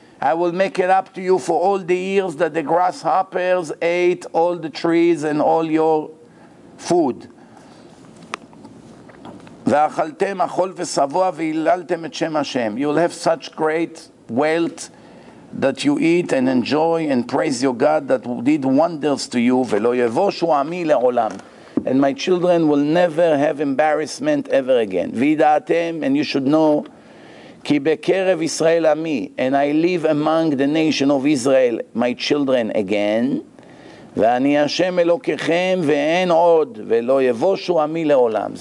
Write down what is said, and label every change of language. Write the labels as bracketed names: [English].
[English] I will make it up to you for all the years that the grasshoppers ate all the trees and all your food. [Hebrew] ואכלתם אכול ושבוע והיללתם את שם השם. [English] You will have such great wealth that you eat and enjoy and praise your God that did wonders to you. [Hebrew] ולא יבושו עמי לעולם. [English] And my children will never have embarrassment ever again. [Hebrew] וידעתם, [English] and you should know, [Hebrew] כי בקרב ישראל עמי, [English] and I live among the nation of Israel, my children again, [Hebrew] ואני השם אלוקיכם ואין עוד, ולא יבושו עמי לעולם.